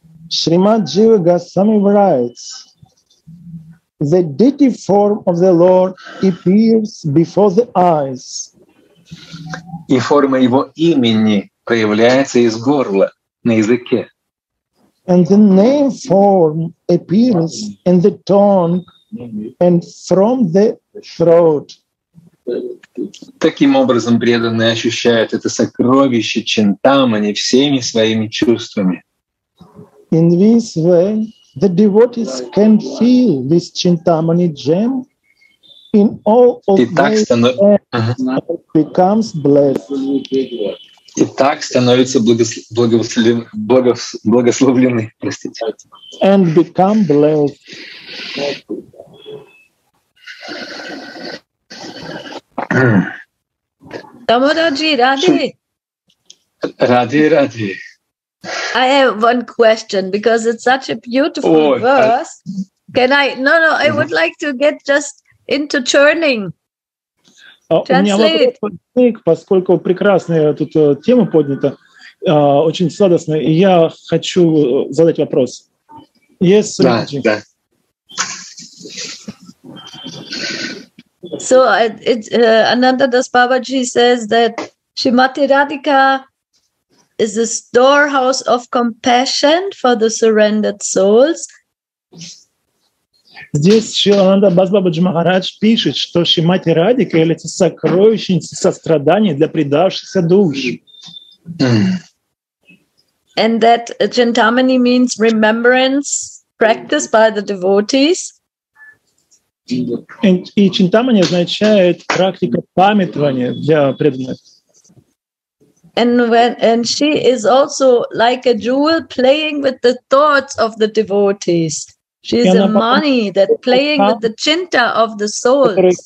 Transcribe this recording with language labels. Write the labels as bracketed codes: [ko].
[en] Шримад Джива Госвами writes: the deity form of the Lord appears before the eyes. [ru] И форма Его имени проявляется из горла на языке. [en] And the name form appears in the tongue and from the throat. [ru] Таким образом, преданные ощущают это сокровище Чинтамани всеми своими чувствами. [en] In this way, the devotees can feel this Chintamani gem in all of their becomes blessed. [ru] И так становятся благословлены, простите. [en] And become blessed. [ru] Дамодаджи, Ради. Ради, Ради. [en] I have one question because it's such a beautiful verse. Can I? No, no. I would like to get just into churning. Translate. [ru] Поскольку прекрасная тут тема поднята, очень сладостная, и я хочу задать вопрос. [en] Yes, [ru] да, да. [en] So Ananda Das Babaji says that Shrimati Radhika is a storehouse of compassion for the surrendered souls. [ru] Здесь Шрила Ананда Дас Бабаджи Махарадж пишет, что Шримати Радика является сокровищницей сострадания для предавшихся душ. [en] And that Chintamani means remembrance practiced by the devotees. [ru] И Чинтамани означает практика памятования для преданных. [en] And she is also like a jewel playing with the thoughts of the devotees. She is a money that playing with the chinta of the souls.